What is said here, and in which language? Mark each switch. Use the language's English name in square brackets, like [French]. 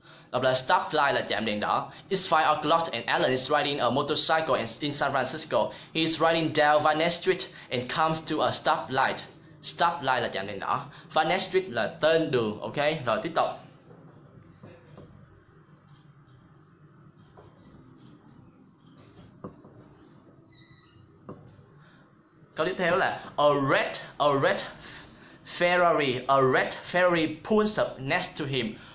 [Vietnamese] Đọc là stoplight là chạm đèn đỏ. [English] It's 5 o'clock and Alan is riding a motorcycle in San Francisco. He's riding down Van Ness Street and comes to a stoplight. [Vietnamese] Stop light là chạm đèn đỏ. Finance Street là tên đường, ok? Rồi tiếp tục. Câu tiếp theo là [English] a red Ferrari, a red Ferrari pulls up next to him.